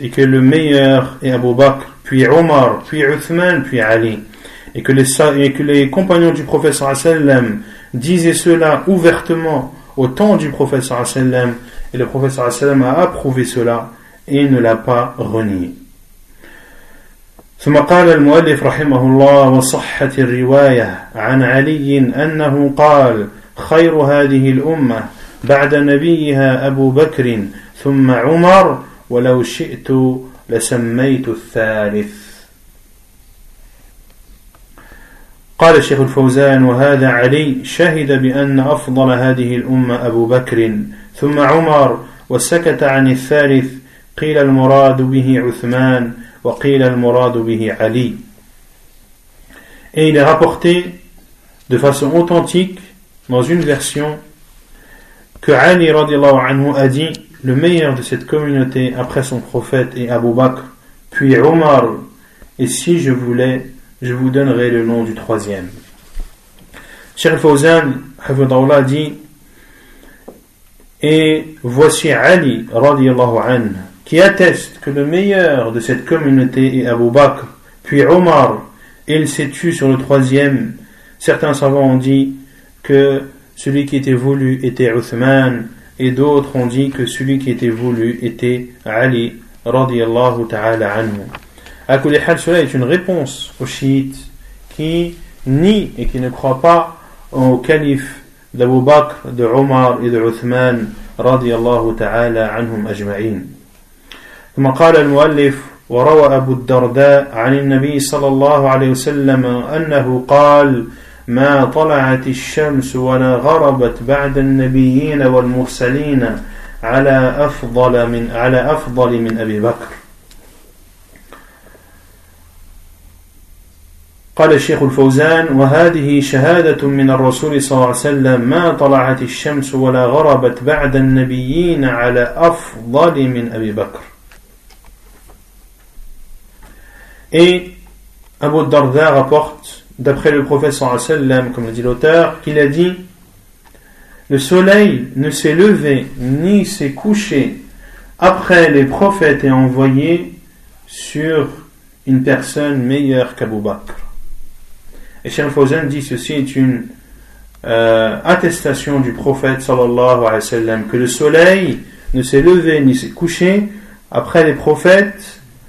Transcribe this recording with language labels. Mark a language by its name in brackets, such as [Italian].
[French] Et que le meilleur est Abu Bakr, puis Omar, puis Uthman, puis Ali. Et que les compagnons du prophète sallam disaient cela ouvertement au temps du prophète sallam. Et le prophète sallam a approuvé cela et ne l'a pas renié. [Arabic] ثم قال المؤلف رحمه الله وصحة الرواية عن علي أنه قال خير هذه الأمة بعد نبيها أبو بكر ثم عمر ولو شئت لسميت الثالث. قال الشيخ الفوزان وهذا علي شهد بأن أفضل هذه الأمة أبو بكر ثم عمر وسكت عن الثالث قيل المراد به عثمان وقيل المراد به علي. [French] Et il est rapporté de façon authentique dans une version que Ali radiallahu anhu a dit le meilleur de cette communauté après son prophète est Abu Bakr puis Omar et si je voulais je vous donnerais le nom du troisième. Cheikh Fawzan hafidhahullah dit et voici Ali radiallahu anhu qui atteste que le meilleur de cette communauté est Abu Bakr, puis Omar, et il s'est tué sur le troisième. Certains savants ont dit que celui qui était voulu était Uthman, et d'autres ont dit que celui qui était voulu était Ali, radiyallahu ta'ala anhu. À [Arabic] Kulli Hal, [French] cela est une réponse aux chiites qui nient et qui ne croient pas au calife d'Abu Bakr, de Omar et de Uthman, radiyallahu ta'ala anhum ajma'in. [Arabic] ثم قال المؤلف وروى أبو الدرداء عن النبي صلى الله عليه وسلم أنه قال ما طلعت الشمس ولا غربت بعد النبيين والمرسلين على أفضل من أبي بكر. قال الشيخ الفوزان وهذه شهادة من الرسول صلى الله عليه وسلم ما طلعت الشمس ولا غربت بعد النبيين على أفضل من أبي بكر. [French] Et Abu Darda rapporte, d'après le prophète sallallahu alayhi wa sallam, comme le dit l'auteur, qu'il a dit « Le soleil ne s'est levé ni s'est couché après les prophètes et envoyés sur une personne meilleure qu'Abu Bakr. » Et Cheikh Fawzan dit « Ceci est une attestation du prophète sallallahu alayhi wa sallam, que le soleil ne s'est levé ni s'est couché après les prophètes